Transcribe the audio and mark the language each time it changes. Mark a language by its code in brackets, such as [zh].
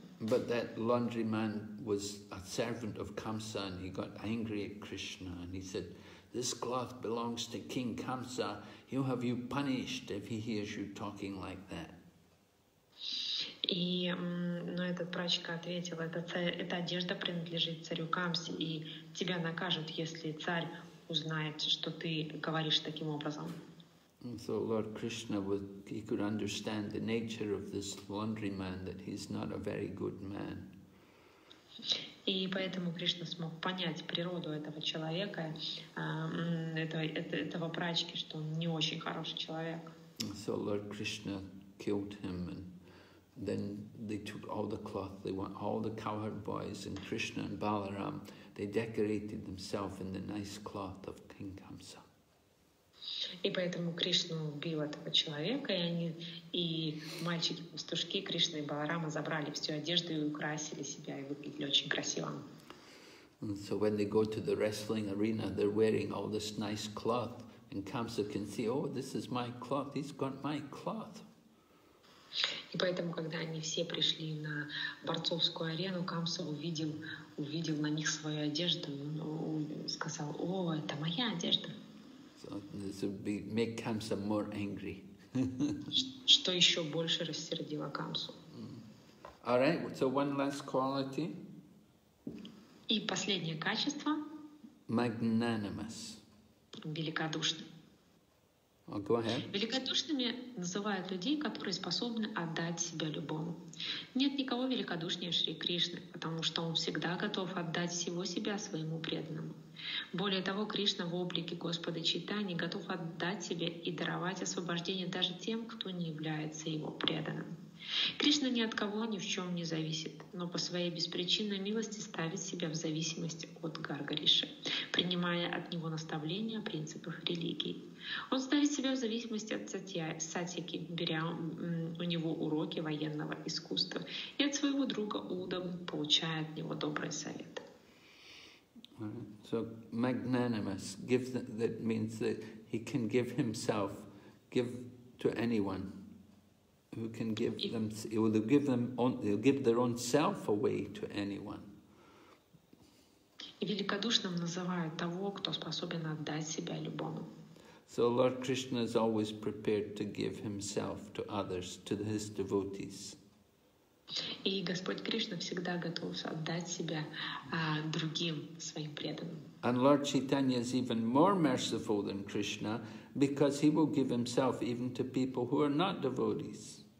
[en] But that laundryman was a servant of Kamsa, and he got angry at Krishna, and he said, this cloth belongs to King Kamsa, he'll have you punished if he hears you talking like that. [ru] Но этот прачка ответил, эта одежда принадлежит царю Камсе, и тебя накажут, если царь узнает, что ты говоришь таким образом. [en] And so Lord Krishna, he could understand the nature of this laundryman, that he's not a very good man. [ru] И поэтому Кришна смог понять природу этого человека, этого прачки, что он не очень хороший человек. [en] And so Lord Krishna killed him, and then they took all the cloth, they went, all the cowherd boys, and Krishna and Balaram, they decorated themselves in the nice cloth of King Kamsa. [ru] И поэтому Кришна убил этого человека, и мальчики-пастушки Кришна и Баларама забрали всю одежду и украсили себя, и выглядели очень красиво. [en] And so when they go to the wrestling arena, they're wearing all this nice cloth, and Kamsa can see, oh, this is my cloth, he's got my cloth. [ru] И поэтому, когда они все пришли на борцовскую арену, Камса увидел на них свою одежду, он сказал, о, это моя одежда. [en] So this would be, make Kamsa more angry. [ru] Что еще больше рассердило Камсу. [en] All right, so one last quality. [ru] И последнее качество. [en] Magnanimous. [ru] Великодушный. [en] Oh, go ahead. [ru] Великодушными называют людей, которые способны отдать себя любому. Нет никого великодушнее Шри Кришны, потому что он всегда готов отдать всего себя своему преданному. Более того, Кришна в облике Господа Чайтаньи готов отдать себя и даровать освобождение даже тем, кто не является его преданным. Кришна ни от кого ни в чем не зависит, но по своей беспричинной милости ставит себя в зависимость от Гаргариши, принимая от него наставления о принципах религии. Он ставит себя в зависимости от Сатьяки, беря у него уроки военного искусства, и от своего друга Удава, получая от него добрые советы. [en] Right. So magnanimous, give the, that means that he can give himself, give to anyone. Who can give them? They'll give their own self away to anyone. [ru] И великодушным называют того, кто способен отдать себя любому. [en] So Lord Krishna is always prepared to give himself to others, to his devotees. [ru] И Господь Кришна всегда готов отдать себя другим своим преданным. [en] And Lord Chaitanya is even more merciful than Krishna, because he will give himself even to people who are not devotees.